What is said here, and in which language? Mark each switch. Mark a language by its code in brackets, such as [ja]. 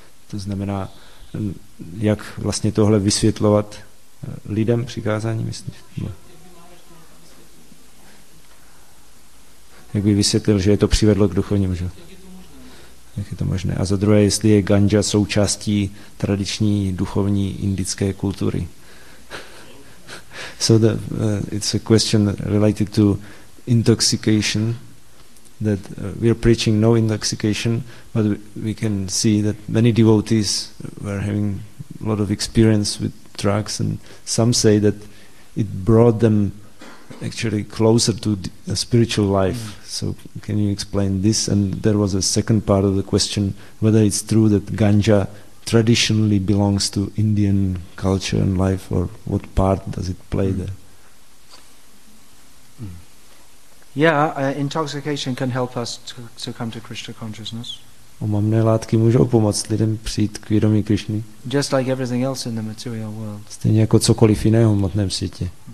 [cs] To znamená, jak vlastně tohle vysvětlovat lidem přikázání, myslím. Jak by vysvětlil, že je to přivedlo k duchovnímu životu? Jak je to možné? A za druhé, jestli je ganja součástí tradiční duchovní indické kultury. [en] So the it's a question related to intoxication, that we are preaching no intoxication, but we can see that many devotees were having a lot of experience with drugs, and some say that it brought them actually closer to a spiritual life. So can you explain this? And there was a second part of the question, whether it's true that ganja traditionally belongs to Indian culture and life, or what part does it play there? Intoxication can help us to come to Krishna consciousness. [cs] Omamné látky můžou pomoct lidem přijít k vědomí Krišny. [en] Just like everything else in the material world. [cs] Stejně jako cokoliv jiného v hmotném světě.